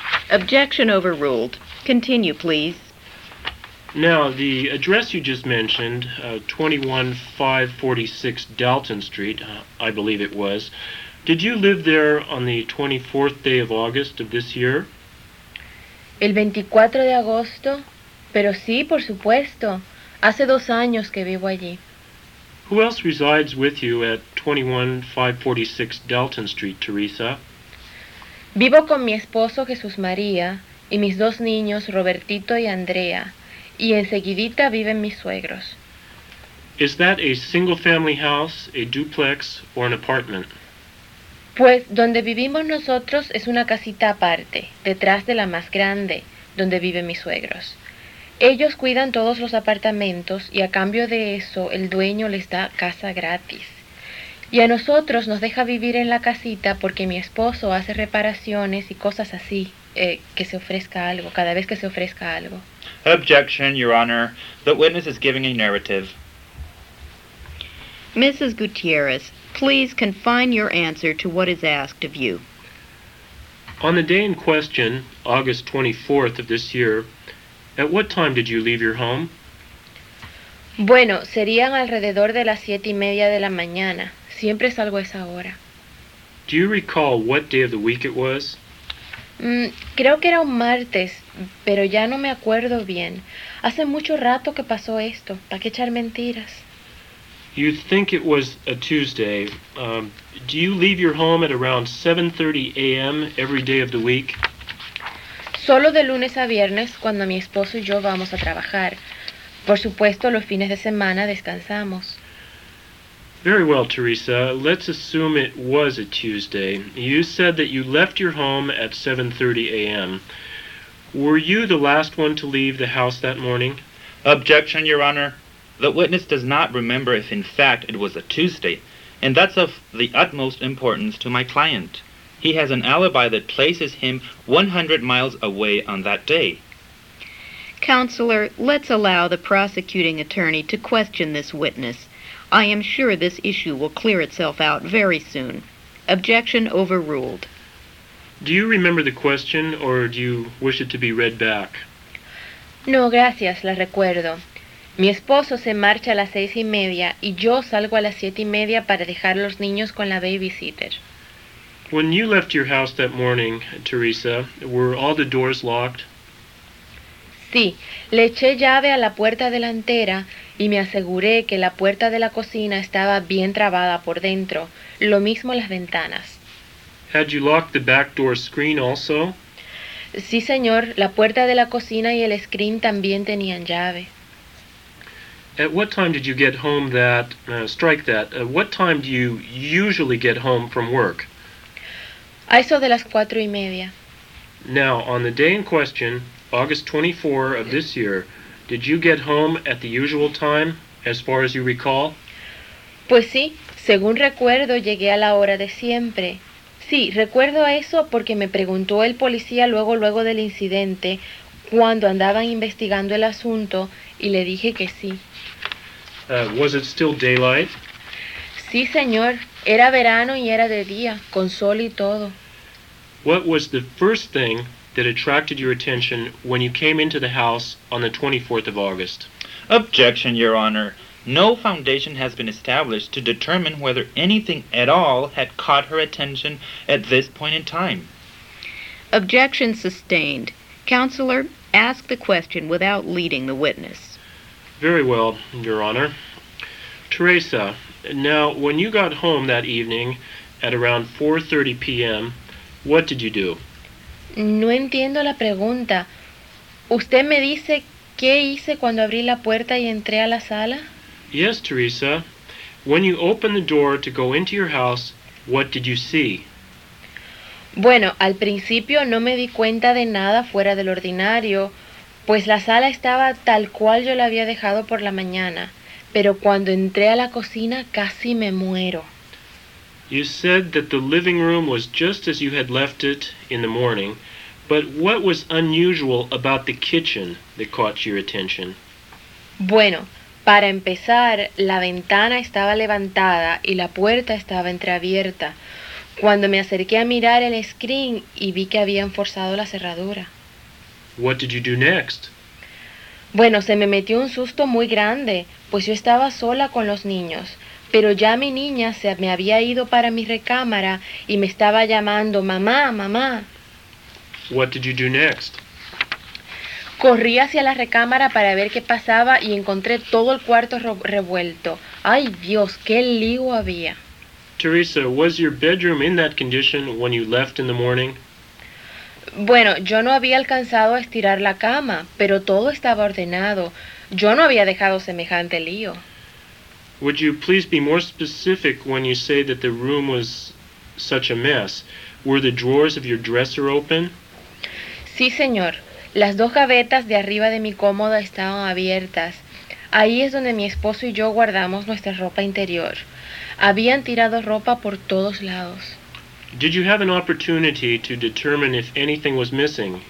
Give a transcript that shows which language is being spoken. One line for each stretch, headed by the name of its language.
English: Objection overruled. Continue, please. Now, the address you just mentioned, 21546 Dalton Street, I believe it was, did you live there on the 24th day of August of this year?
Spanish: El 24 de agosto, pero sí, por supuesto. Hace dos años que vivo allí.
English: Who else resides with you at 21546 Dalton Street, Teresa?
Spanish: Vivo con mi esposo Jesús María y mis dos niños Robertito y Andrea, y enseguidita viven mis suegros.
English: Is that a single family house, a duplex, or an apartment?
Spanish: Pues donde vivimos nosotros es una casita aparte, detrás de la más grande, donde viven mis suegros. Ellos cuidan todos los apartamentos y a cambio de eso el dueño les da casa gratis. Y a nosotros nos deja vivir en la casita porque mi esposo hace reparaciones y cosas así, que se ofrezca algo, cada vez que se ofrezca algo.
English: Objection, Your Honor. The witness is giving a narrative. Mrs. Gutierrez, please confine your answer to what is asked of you. On the day in question, August 24th of this year, at what time did you leave your home?
Spanish: Bueno, serían alrededor de las 7:30 de la mañana. Siempre salgo a esa hora.
English: Do you recall what day of the week it was?
Spanish: Creo que era un martes, pero ya no me acuerdo bien. Hace mucho rato que pasó esto. ¿Para qué echar mentiras?
English: You think it was a Tuesday. Do you leave your home at around 7:30 a.m. every day of the week?
Spanish: Solo de lunes a viernes, cuando mi esposo y yo vamos a trabajar. Por supuesto, los fines de semana descansamos.
English: Very well, Teresa. Let's assume it was a Tuesday. You said that you left your home at 7:30 a.m. Were you the last one to leave the house that morning? Objection, Your Honor. The witness does not remember if, in fact, it was a Tuesday, and that's of the utmost importance to my client. He has an alibi that places him 100 miles away on that day. Counselor, let's allow the prosecuting attorney to question this witness. I am sure this issue will clear itself out very soon. Objection overruled. Do you remember the question, or do you wish it to be read back?
Spanish: No, gracias, la recuerdo. Mi esposo se marcha a las 6:30, y yo salgo a las 7:30 para dejar los niños con la babysitter.
English: When you left your house that morning, Teresa, were all the doors locked?
Spanish: Sí, le eché llave a la puerta delantera y me aseguré que la puerta de la cocina estaba bien trabada por dentro, lo mismo las ventanas.
English: Had you locked the back door screen also?
Spanish: Sí, señor, la puerta de la cocina y el screen también tenían llave.
English: At what time did you get home that, what time do you usually get home from work?
Spanish: A eso de las 4:30.
English: Now, on the day in question, August 24 of this year, did you get home at the usual time, as far as you recall?
Spanish: Pues sí, según recuerdo, llegué a la hora de siempre. Sí, recuerdo eso porque me preguntó el policía luego del incidente, cuando andaban investigando el asunto, y le dije que sí.
English: Was it still daylight?
Spanish: Sí, señor. Era verano y era de día, con sol y todo.
English: What was the first thing that attracted your attention when you came into the house on the 24th of August? Objection, Your Honor. No foundation has been established to determine whether anything at all had caught her attention at this point in time. Objection sustained. Counselor, ask the question without leading the witness. Very well, Your Honor. Teresa, now, when you got home that evening at around 4:30 p.m., what did you do?
Spanish: No entiendo la pregunta. ¿Usted me dice qué hice cuando abrí la puerta y entré a la sala?
English: Yes, Teresa. When you opened the door to go into your house, what did you see?
Spanish: Bueno, al principio no me di cuenta de nada fuera del ordinario, pues la sala estaba tal cual yo la había dejado por la mañana. Pero cuando entré a la cocina, casi me muero.
English: You said that the living room was just as you had left it in the morning, but what was unusual about the kitchen that caught your attention?
Spanish: Bueno, para empezar, la ventana estaba levantada y la puerta estaba entreabierta. Cuando me acerqué a mirar el screen y vi que habían forzado la cerradura.
English: What did you do next?
Spanish: Bueno, se me metió un susto muy grande, pues yo estaba sola con los niños. Pero ya mi niña se me había ido para mi recámara y me estaba llamando, mamá, mamá.
English: What did you do next?
Spanish: Corrí hacia la recámara para ver qué pasaba y encontré todo el cuarto revuelto. ¡Ay, Dios, qué lío había!
English: Teresa, was your bedroom in that condition when you left in the morning?
Spanish: Bueno, yo no había alcanzado a estirar la cama, pero todo estaba ordenado. Yo no había dejado semejante lío.
English: Would you please be more specific when you say that the room was such a mess? Were the drawers of your dresser open?
Spanish: Sí, señor. Las dos gavetas de arriba de mi cómoda estaban abiertas. Ahí es donde mi esposo y yo guardamos nuestra ropa interior. Habían tirado ropa por todos lados.
English: Did you have an opportunity to determine if anything was missing?